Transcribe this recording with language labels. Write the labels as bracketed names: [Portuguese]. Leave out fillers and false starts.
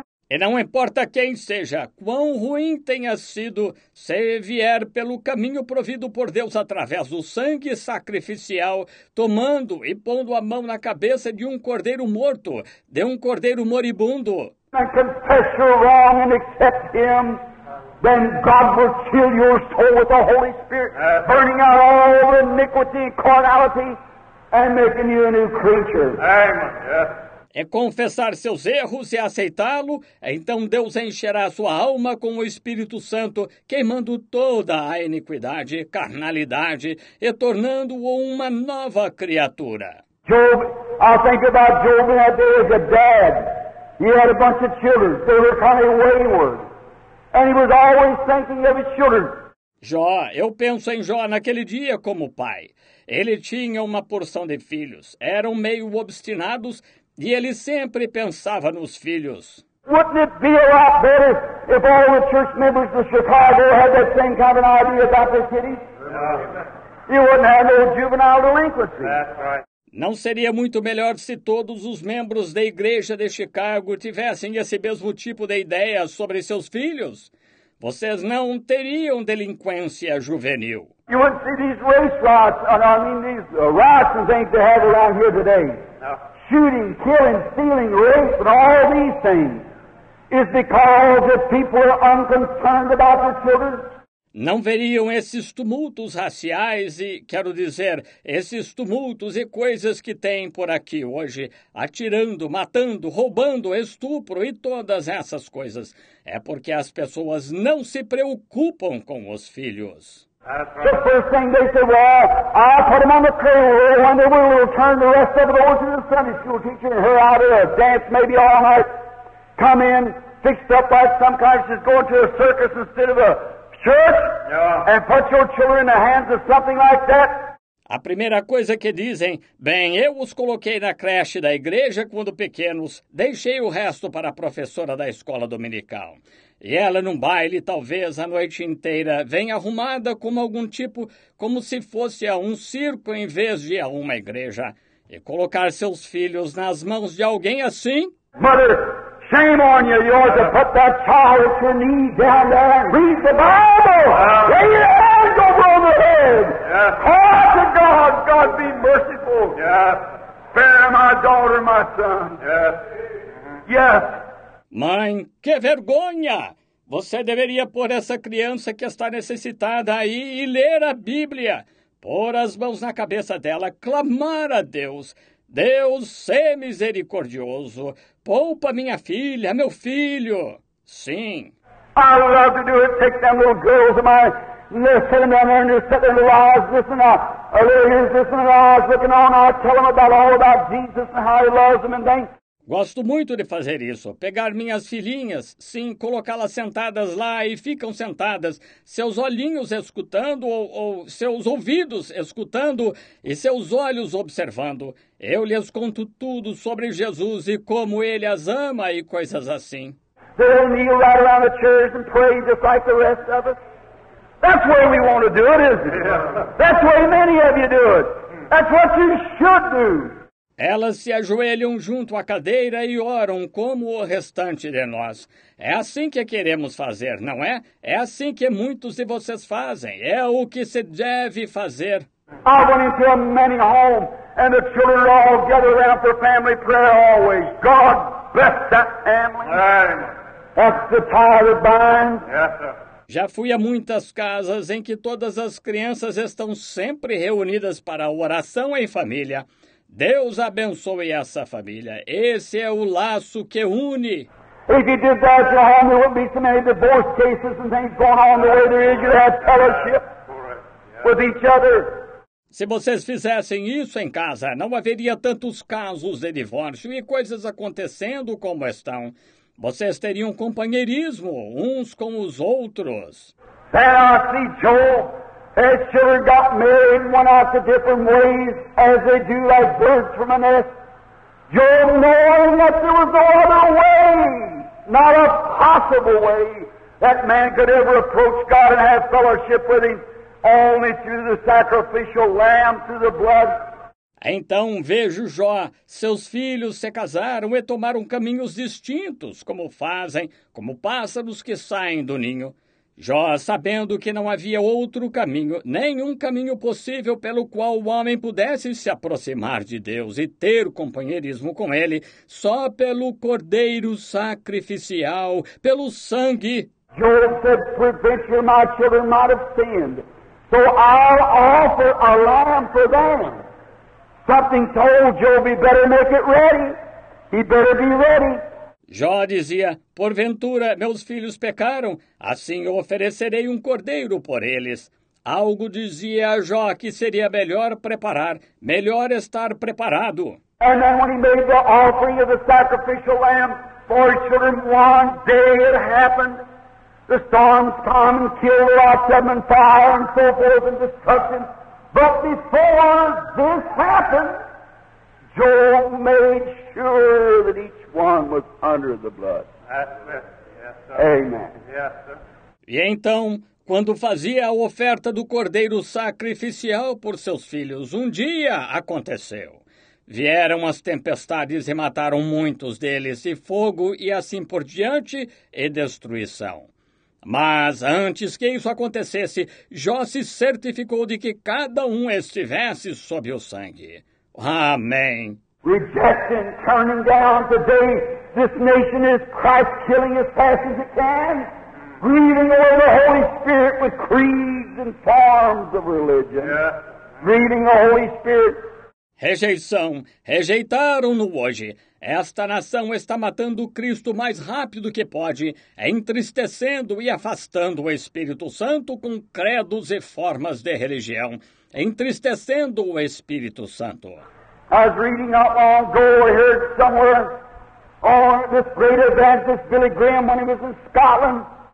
[Portuguese] E não importa quem seja, quão ruim tenha sido, se vier pelo caminho provido por Deus através do sangue sacrificial, tomando e pondo a mão na cabeça de um cordeiro morto, de um cordeiro moribundo. [English] And confess your wrong and accept him, then God will fill your soul with the Holy Spirit, burning out all iniquity and carnality. I'm making you a new creature. [Portuguese] É confessar seus erros e aceitá-lo, então Deus encherá sua alma com o Espírito Santo, queimando toda a iniquidade, carnalidade, e tornando-o uma nova criatura. [English] Job, I think about Job in that day as a dad. He had a bunch of children. They were kind of wayward. And he was always thinking of his children. [Portuguese] Jó, eu penso em Jó naquele dia como pai. Ele tinha uma porção de filhos. Eram meio obstinados e ele sempre pensava nos filhos. [English] Wouldn't it be a lot better if all the church members of Chicago had that same kind of idea about the city? You wouldn't have no juvenile delinquency. That's right. [Portuguese] Não seria muito melhor se todos os membros da igreja de Chicago tivessem esse mesmo tipo de ideia sobre seus filhos? Vocês não teriam delinquência juvenil. [English] You wouldn't see these race riots, riots and things they have around here today. Shooting, killing, stealing, rape, and all these things is because the people are unconcerned about their children. [Portuguese] Não veriam esses tumultos raciais e, quero dizer, esses tumultos e coisas que tem por aqui hoje, atirando, matando, roubando, estupro e todas essas coisas. É porque as pessoas não se preocupam com os filhos. [English] The first thing they said, well, I put them on the cradle when they were little, turn the rest of the boys into the Sunday school teacher, and her out there, dance maybe all night, come in, fixed up like some kind, she's going to a circus instead of a and put your children in the hands of something like that. [Portuguese] A primeira coisa que dizem, bem, eu os coloquei na creche da igreja quando pequenos, deixei o resto para a professora da escola dominical. E ela num baile, talvez, a noite inteira, vem arrumada como algum tipo, como se fosse a um circo em vez de a uma igreja. E colocar seus filhos nas mãos de alguém assim... [English] Mother. Shame on you, you ought to put that child at your knees down there and read the Bible. Lay your hands over the head. Call out to God. God be merciful. Spare my daughter, my son. [Portuguese] Mãe, que vergonha! Você deveria pôr essa criança que está necessitada aí e ler a Bíblia. Pôr as mãos na cabeça dela, clamar a Deus. Deus, sê misericordioso. Poupa minha filha, meu filho. Sim. [English] I love to do it. Take them little girls of mine. sitting down there and just sitting there with eyes listening out. Or little ears listening with eyes looking on. I tell them about all about Jesus and how he loves them and things. [Portuguese] Gosto muito de fazer isso, pegar minhas filhinhas, sim, colocá-las sentadas lá e ficam sentadas, seus olhinhos escutando ou seus ouvidos escutando e seus olhos observando. Eu lhes conto tudo sobre Jesus e como ele as ama e coisas assim. [English] They'll kneel right around the church and pray just like the rest of us. That's the way we want to do it, isn't it? That's the way many of you do it. That's what you should do. [Portuguese] Elas se ajoelham junto à cadeira e oram como o restante de nós. É assim que queremos fazer, não é? É assim que muitos de vocês fazem. É o que se deve fazer. [English] I went into a many home and the children are all gathered around for family prayer always. God bless that family. Amen. That's the tie that binds. Yes, sir. [Portuguese] Já fui a muitas casas em que todas as crianças estão sempre reunidas para oração em família. Deus abençoe essa família. Esse é o laço que une. [English] If you did that, your home, there wouldn't be so many divorce cases and things going on the way there is. You'd have fellowship with each other. [Portuguese] Se vocês fizessem isso em casa, não haveria tantos casos de divórcio e coisas acontecendo como estão. Vocês teriam companheirismo uns com os outros. [English] Then I see Joel. As children got married and went out to different ways, as they do like birds from a nest. Joel knowing that there was no other way, not a possible way, that man could ever approach God and have fellowship with him, only through the sacrificial lamb, through the blood. [Portuguese] Então vejo Jó, seus filhos se casaram e tomaram caminhos distintos, como fazem, como pássaros que saem do ninho. Jó, sabendo que não havia outro caminho, nenhum caminho possível pelo qual o homem pudesse se aproximar de Deus e ter companheirismo com ele, só pelo cordeiro sacrificial, pelo sangue. Jó disse, [English] "Preventure my children might have sinned, so I'll offer a lamb for them." Something told Job, he better make it ready. He better be ready. [Portuguese] Jó dizia, porventura, meus filhos pecaram, assim eu oferecerei um cordeiro por eles. Algo dizia a Jó que seria melhor preparar, melhor estar preparado. [English] And then when he made the offering of the sacrificial lamb for his children, one day it happened. The storms come and kill lots of them and fire and so forth and destruction. But before this happened, Joel made sure that each one was under the blood. That's right. Yes, sir. Amen. Yes, sir. [Portuguese] E então, quando fazia a oferta do cordeiro sacrificial por seus filhos, um dia aconteceu. Vieram as tempestades e mataram muitos deles, e fogo e assim por diante, e destruição. Mas antes que isso acontecesse, Jó se certificou de que cada um estivesse sob o sangue. Amém. [English] Rejection, turning down today. This nation is Christ killing as fast as it can. Grieving away the Holy Spirit with creeds and forms of religion. Grieving the Holy Spirit. [Portuguese] Rejeição. Rejeitaram-no hoje. Esta nação está matando Cristo mais rápido que pode, entristecendo e afastando o Espírito Santo com credos e formas de religião, entristecendo o Espírito Santo. [English] I was reading not long ago, I heard somewhere on this great evangelist Billy Graham when he was in Scotland.